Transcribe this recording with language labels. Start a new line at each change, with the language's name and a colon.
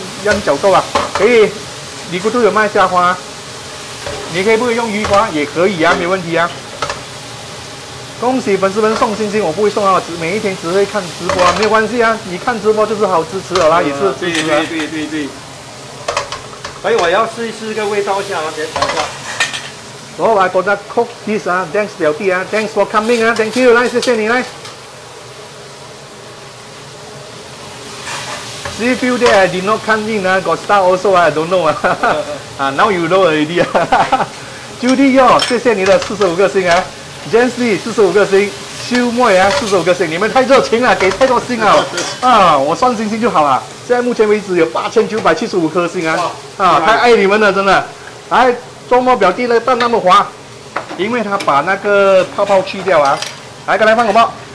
Chinese: 晾角豆啊，可以。你姑姑有卖虾花，你可以不可以用鱼花也可以啊，没问题啊。恭喜粉丝们送星星，我不会送啊，每一天只会看直播啊，没有关系啊。你看直播就是好支持了啦，也是支持啊。对对对对对。哎，我要试一试这个味道一下啊，别等一下。
English: So I gonna cook this 啊 ，Thanks 表弟啊 ，Thanks for coming 啊 ，Thank you，
Chinese: 来谢谢你来。
English: See few day I did not come in 啊 ，got star also I don't know 啊，啊，now you know already
Chinese: 啊，Judy Yo， 谢谢你的四十五个星啊 ，James Lee 四十五个星，秋末啊四十五个星，你们太热情了，给太多星了啊，我算星星就好了，现在目前为止有8975颗星啊，啊太爱你们了真的，来做末表弟的蛋那么滑，因为他把那个泡泡去掉啊，来刚才放什么？